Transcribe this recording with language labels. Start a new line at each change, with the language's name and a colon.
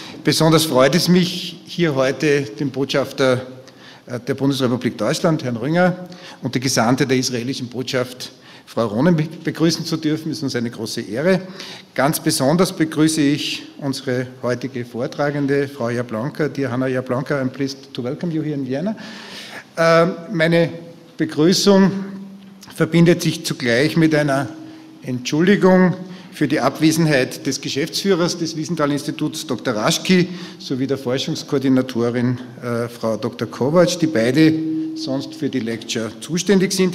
German: Besonders freut es mich, hier heute den Botschafter der Bundesrepublik Deutschland, Herrn Rünger, und die Gesandte der israelischen Botschaft, Frau Ronen, begrüßen zu dürfen. Es ist uns eine große Ehre. Ganz besonders begrüße ich unsere heutige Vortragende, Frau Yablonka.
English: Dear Hanna Yablonka, I'm pleased to welcome you here in Vienna.
German: Meine Begrüßung verbindet sich zugleich mit einer Entschuldigung für die Abwesenheit des Geschäftsführers des Wiesenthal-Instituts, Dr. Raschki, sowie der Forschungskoordinatorin, Frau Dr. Kovac, die beide sonst für die Lecture zuständig sind.